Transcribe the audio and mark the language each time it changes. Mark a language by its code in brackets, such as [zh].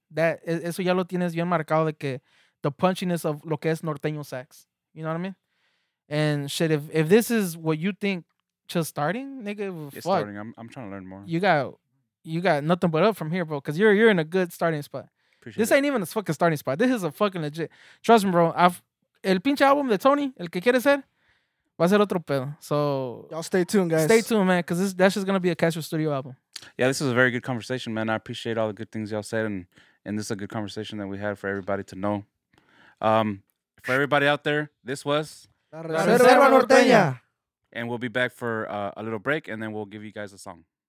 [es] That eso ya lo tienes bien marcado de que [en] the punchiness of [es] lo que es norteño sax. [en] You know what I mean? And shit, if this is what you think just starting, nigga, it's fuck. It's starting. I'm trying to learn more. You got nothing but up from here, bro, because you're in a good starting spot. Appreciate it. Ain't even a fucking starting spot. This is a fucking legit. Trust me, bro. [es] El pinche album de Tony, el que quiere ser, va a ser otro pedo. [en] So, y'all stay tuned, guys. Stay tuned, man, because that's just going to be a Castro Studio album. Yeah, this is a very good conversation, man. I appreciate all the good things y'all said, and this is a good conversation that we had for everybody to know. For everybody out there, this was... [es] La Reserva Norteña. [en] And we'll be back for a little break, and then we'll give you guys a song.